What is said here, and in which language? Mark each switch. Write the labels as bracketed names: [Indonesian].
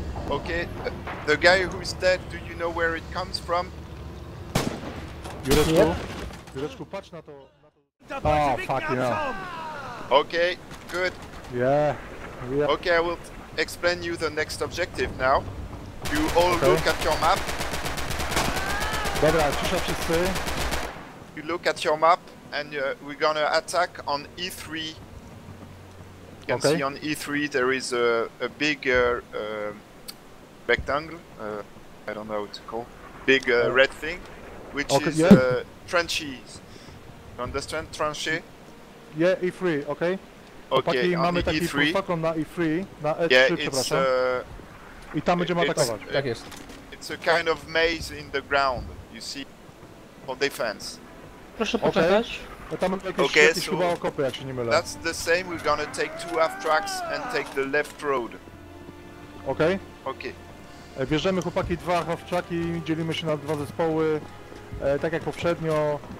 [English] Okej, the guy who is dead, do you know where it comes from? [Polish] Jureczku? Jureczku, patrz na to... [English] Oh, fucking hell. Okay, good. Yeah. Okay, I will explain you the next objective now. You all look at your map. [Polish] Dobra, cisza wszyscy. [English] You look at your map and we're gonna attack on E3. You can see on E3 there is a bigger rectangle. I don't know what to call. Big red thing, which is trenches. You understand tranchee? Yeah, E3, okay. Okay, [Polish] on mamy taki [English] E3. [Polish] Pulpakon na E3, na E3, [English] yeah, [Polish] i tam będziemy atakować. Tak jest. [English] It's a kind of maze in the ground, you see, for defense. [Polish] Proszę poczekać. [English] Okay. [Polish] Tam jakieś, jakieś chyba okopy, jak się nie mylę. [English] That's the same, we're gonna take two half tracks and take the left road. Okay. Okay. [Polish] Bierzemy, chłopaki, dwa half tracki, dzielimy się na dwa zespoły, tak jak poprzednio.